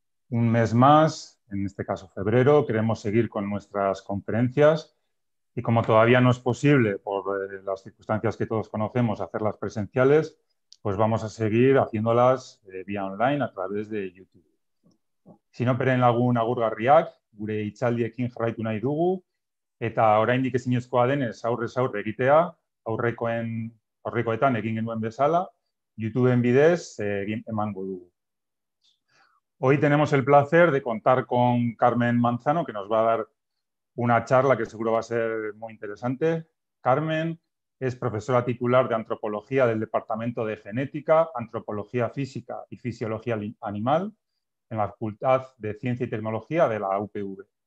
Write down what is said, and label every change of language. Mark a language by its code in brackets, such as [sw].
[es] Un mes más, en este caso febrero, queremos seguir con nuestras conferencias y como todavía no es posible, por las circunstancias que todos conocemos, hacerlas presenciales, pues vamos a seguir haciéndolas vía online a través de YouTube. [eu] Sinoperen lagun agurgarriak, gure hitzaldiekin jarraitu nahi dugu, eta oraindik ezinezkoa denez, aurrez aurre egitea, aurrekoetan egin genuen bezala, YouTube-en bidez emango dugu. [es] Hoy tenemos el placer de contar con Carmen Manzano, que nos va a dar una charla que seguro va a ser muy interesante. Carmen es profesora titular de antropología del Departamento de Genética, Antropología Física y Fisiología Animal en la Facultad de Ciencia y Tecnología de la UPV.